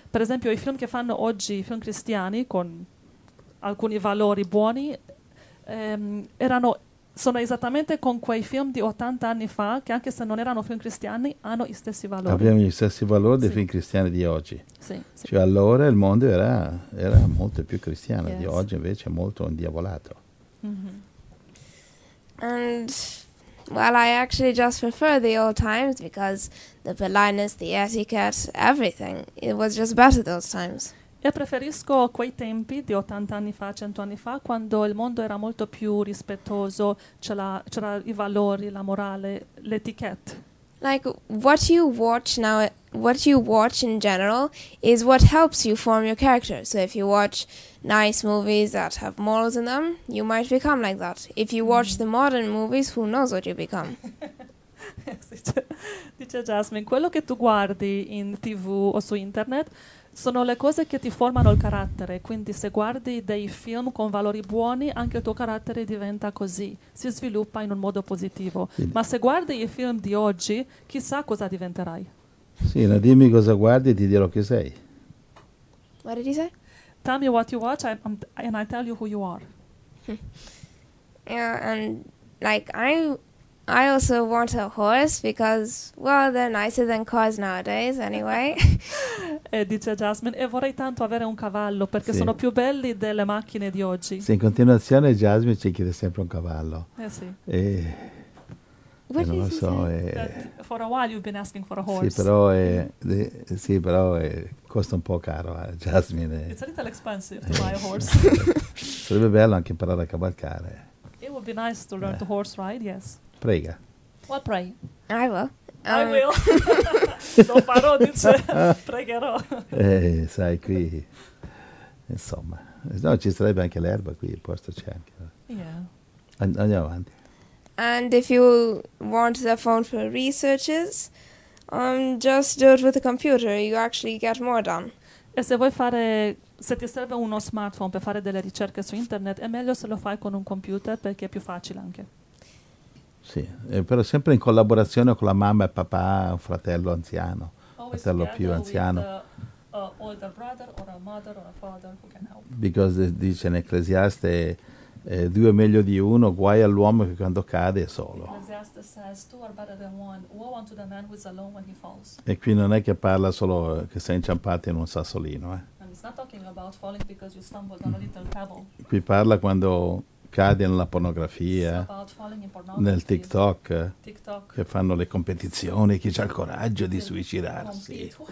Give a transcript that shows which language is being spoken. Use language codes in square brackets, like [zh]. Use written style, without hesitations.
[it] Per esempio, i film che fanno oggi, i film cristiani, con alcuni valori buoni, sono esattamente con quei film di 80 anni fa, che anche se non erano film cristiani, hanno gli stessi valori. Abbiamo gli stessi valori, sì, dei film cristiani di oggi. Sì, sì. Cioè allora il mondo era molto più cristiano, yes, di oggi, invece è molto indiavolato. Mm-hmm. [en] And well, I actually just prefer the old times because the politeness, the etiquette, everything, it was just better those times. [it] E preferisco quei tempi di 80 anni fa, 100 anni fa, quando il mondo era molto più rispettoso, c'era i valori, la morale, l'etichetta. [en] Like what you watch now, what you watch in general is what helps you form your character. So if you watch nice movies that have morals in them, you might become like that. If you watch the modern movies, who knows what you become. [it] Dice Jasmine, quello che tu guardi in TV o su internet sono le cose che ti formano il carattere, quindi se guardi dei film con valori buoni, anche il tuo carattere diventa così, si sviluppa in un modo positivo. Sì. Ma se guardi i film di oggi, chissà cosa diventerai. Sì, no, dimmi cosa guardi e ti dirò chi sei. [en] What did he say? Tell me what you watch and I tell you who you are. Yeah, and like I also want a horse because, well, they're nicer than cars nowadays, anyway. [it] E dice Jasmine, e vorrei tanto avere un cavallo perché sì, sono più belli delle macchine di oggi. Sì, in continuazione Jasmine ci chiede sempre un cavallo. Eh sì. E [en] what [it] non lo so. [en] For a while you've been asking for a horse. [it] Sì, però costa un po' caro a Jasmine. [en] It's a little expensive to buy a horse. [it] Sarebbe bello anche imparare a cavalcare. [en] It would be nice to learn to horse ride, yes. [it] Prega. [en] Well, pray. I will. I will. [it] Lo farò, dice. Pregherò. Sai, qui, insomma. No, ci sarebbe anche l'erba qui, il posto c'è anche. [en] Yeah. [it] Andiamo avanti. [en] And if you want the phone for researches, just do it with a computer. You actually get more done. [it] E se vuoi fare, se ti serve uno smartphone per fare delle ricerche su internet, è meglio se lo fai con un computer perché è più facile anche. Sì, però sempre in collaborazione con la mamma e papà, un fratello anziano, fratello più anziano. [en] Older brother or a mother or a father who can help. [it] Because dice in Ecclesiaste, due è meglio di uno, guai all'uomo che quando cade è solo. [en] Ecclesiaste says two are better than one, woe unto the man who is alone when he falls. [it] E qui non è che parla solo che sei inciampato in un sassolino, [en] And it's not talking about falling because you stumbled on a little pebble. [it] Qui parla quando cade nella pornografia, nel TikTok, che fanno le competizioni, chi ha il coraggio di suicidarsi.